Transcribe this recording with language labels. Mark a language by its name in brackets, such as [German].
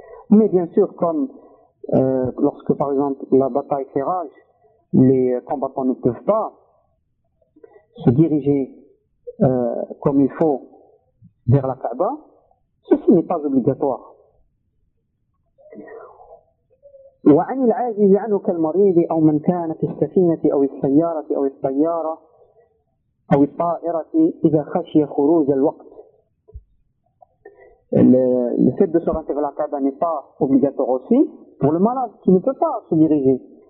[French] Mais bien sûr, comme lorsque par exemple la bataille fait rage, les combattants ne peuvent pas se diriger comme il faut vers la Kaaba, ceci n'est pas obligatoire. [Arabic] وعن العاجز عنه كالمريض أو من كان في السفينة أو السيارة أو الطيارة أو الطائرة إذا خشي خروج الوقت. [French] Le fait de se rendre vers la Kaaba n'est pas obligatoire aussi pour le malade qui ne peut pas se diriger.